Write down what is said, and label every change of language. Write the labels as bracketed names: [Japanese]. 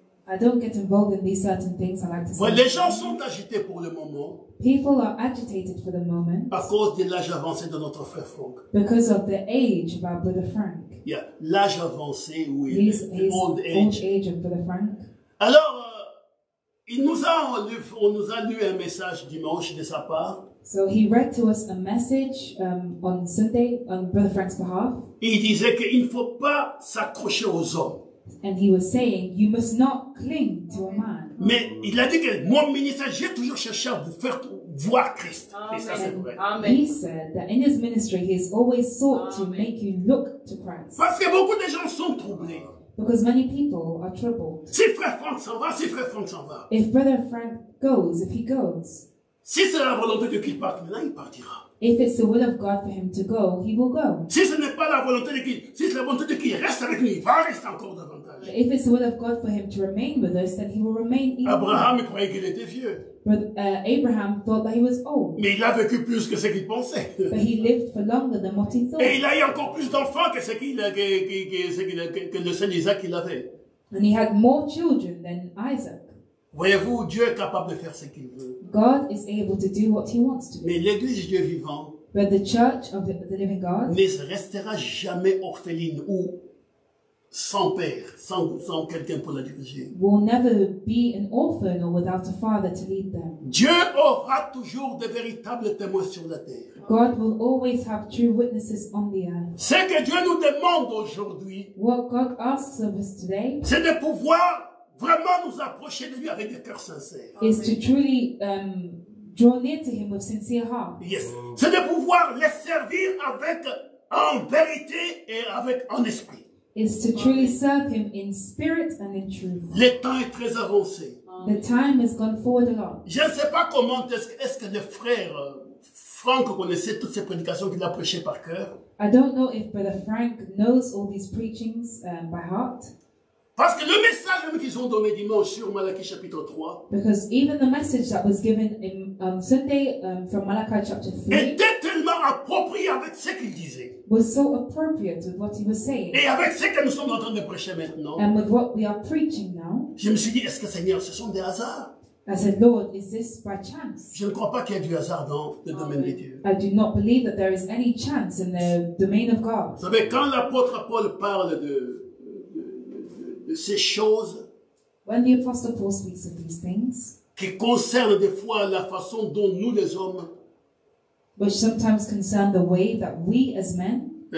[English] I don't get involved in these certain things. I like to say. [French] Well, les gens sont agités pour le moment. [English] People are agitated for the moment. [French] À cause de l'âge avancé de notre frère Frank. [English] Because of the age of our brother Frank. [French] Yeah, l'âge avancé, oui. [English] His old age of brother Frank. [French] Alors, on nous a lu un message dimanche de sa part. [English] So he read to us a message on Sunday on brother Frank's behalf. [French] Il disait qu'il ne faut pas s'accrocher aux hommes. [English] And he was saying, you must not cling to a man. [French] Mais il a dit que mon ministère, j'ai toujours cherché à vous faire voir Christ. Amen. Et ça, c'est vrai. Amen. [English] He said that in his ministry, he has always sought Amen. To make you look to Christ. [French] Parce que beaucoup de gens sont troublés. [English] Because many people are troubled. [French] Si frère Frank s'en va, si frère Frank s'en va. [English] If brother Frank goes, if he goes. [French] Si c'est la volonté de qu'il parte, maintenant il partira. [English] If it's the will of God for him to go, he will go. [French] Si ce n'est pas la volonté de qu'il reste avec nous, il va rester encore davantage. [English] But if it's the will of God for him to remain with us, then he will remain even. [French] Abraham, il croyait qu'il était vieux. [English] But Abraham thought that he was old. [French] Mais il a vécu plus que ce qu'il pensait. [English] But he lived for longer than what he thought. [French] Et il a eu encore plus d'enfants que ce que le seul Isaac qu'il avait. [English] And he had more children than Isaac. [French] Voyez-vous, Dieu est capable de faire ce qu'il veut. [English] God is able to do what he wants to do. [French] Mais l'Église Dieu vivant. [English] But the Church of the Living God. [French] Ne restera jamais orpheline ou sans père, sans quelqu'un pour la diriger. [English] Will never be an orphan or without a father to lead them. [French] Dieu aura toujours de véritables témoins sur la terre. [English] God will always have true witnesses on the earth. [French] Ce que Dieu nous demande aujourd'hui, [English] what God asks of us today, [French] c'est de pouvoir vraiment nous approcher de lui avec des cœurs sincères. [English] Is to truly draw near to him with sincere hearts. Yes. [French] C'est de pouvoir les servir avec en vérité et avec en esprit. [English] Is to truly serve him in spirit and in truth. [French] Le temps est très avancé. [English] The time has gone forward a lot. [French] Je ne sais pas comment est-ce que le frère Frank connaissait toutes ces prédications qu'il a prêchées par cœur. [English] I don't know if Brother Frank knows all these preachings by heart. [French] Parce que le message même qu'ils ont donné dimanche sur Malachi chapitre 3. [English] Because even the message that was given in Sunday from Malachi chapter 3. [French] Était tellement approprié avec ce qu'il disait. [English] Was so appropriate with what he was saying. [French] Et avec ce que nous sommes en train de prêcher maintenant. [English] And with what we are preaching now. [French] Je me suis dit, est-ce que Seigneur, ce sont des hasards? [English] I said, Lord, is this by chance? [French] Je ne crois pas qu'il y ait du hasard dans le domaine de Dieu. [English] I do not believe that there is any chance in the domain of God. [French] Vous savez, quand l'apôtre Paul parle de ces choses, [English] when the apostle Paul speaks of these things, [French] qui concernent des fois la façon dont nous les hommes, [English] which sometimes concern the way that we as men,